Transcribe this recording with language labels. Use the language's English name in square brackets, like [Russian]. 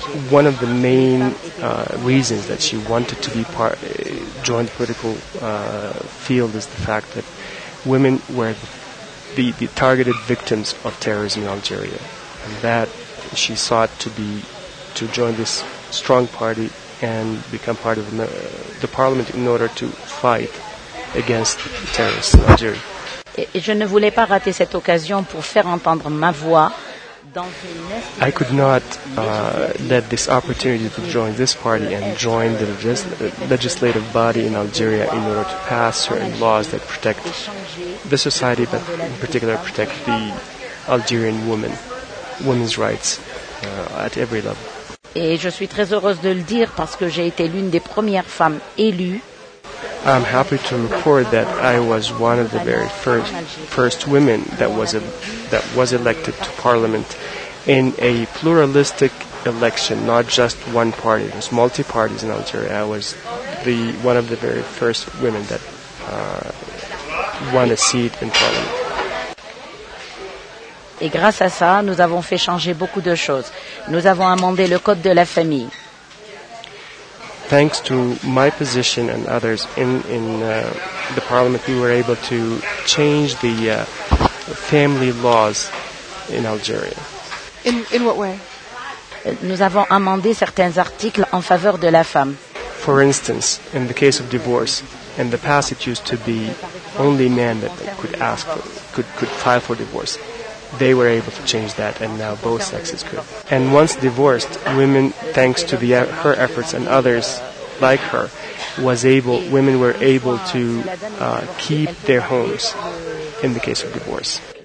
[English] One of the main reasons that she wanted to be part, join the political field is the fact that women were the targeted victims of terrorism in Algeria, and that she sought to be to join this strong party and become part of the parliament in order to fight against terrorists in Algeria. [French] Je ne voulais pas rater cette occasion pour faire entendre ma voix. [English] I could not let this opportunity to join this party and join the legislative body in Algeria in order to pass certain laws that protect the society, but in particular protect the Algerian woman, women's rights at every level. [French] Et je suis très heureuse de le dire parce que j'ai été l'une des premières femmes élues. [English] I'm happy to report that I was one of the very first women that was elected to parliament in a pluralistic election, not just one party. There's multi parties in Algeria. I was one of the very first women that won a seat in parliament. [French] Et grâce à ça, nous avons fait changer beaucoup de choses. Nous avons amendé le code de la famille. [English] Thanks to my position and others in the parliament, we were able to change the family laws in Algeria. In what way? [French] Nous avons amendé certains articles en faveur de la femme. [English] For instance, in the case of divorce, in the past it used to be only men that could ask for, could file for divorce. They were able to change that, and now both sexes could. And once divorced, women, thanks to her efforts and others like her, women were able to keep their homes in the case of divorce.